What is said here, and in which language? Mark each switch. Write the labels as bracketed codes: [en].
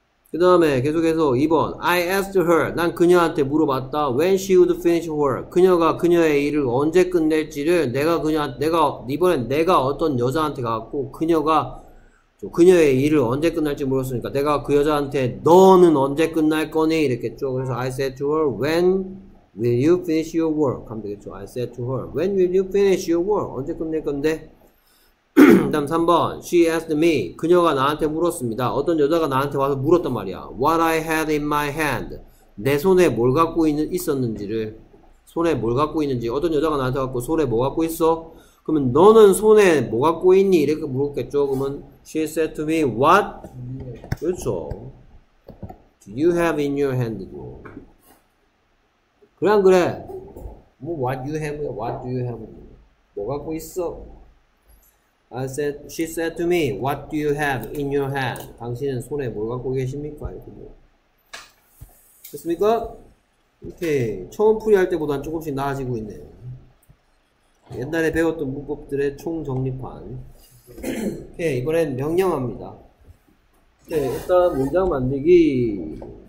[ko] 그 다음에 계속해서 2번. [en] I asked her. [ko] 난 그녀한테 물어봤다. [en] When she would finish her. [ko] 그녀가 그녀의 일을 언제 끝낼지를 내가 그녀한테 내가 이번엔 내가 어떤 여자한테 갔고 그녀가 그녀의 일을 언제 끝날지 물었으니까 내가 그 여자한테 너는 언제 끝날 거니? 이랬겠죠. 그래서 [en] I said to her, when will you finish your work? [ko] 하면 되겠죠. [en] I said to her, when will you finish your work? [ko] 언제 끝낼 건데? 다음 3번. [en] She asked me. [ko] 그녀가 나한테 물었습니다. 어떤 여자가 나한테 와서 물었단 말이야. [en] What I had in my hand. [ko] 내 손에 뭘 갖고 있었는지를. 손에 뭘 갖고 있는지. 어떤 여자가 나한테 와서 손에 뭐 갖고 있어? 그러면 너는 손에 뭐 갖고 있니? 이렇게 물었겠죠. 그러면 [en] She said to me, what? [ko] 그렇죠. [en] Do you have in your hand? [ko] 그래 안 그래? 뭐, [en] what do you have? What do you have? [ko] 뭐 갖고 있어? [en] I said, she said to me, what do you have in your hand? [ko] 당신은 손에 뭘 갖고 계십니까? 이렇게 뭐. 됐습니까? 오케이. 처음 풀이할 때보단 조금씩 나아지고 있네요. 옛날에 배웠던 문법들의 총정리판. 오케이, 이번엔 명령합니다. 오케이, 일단 문장 만들기.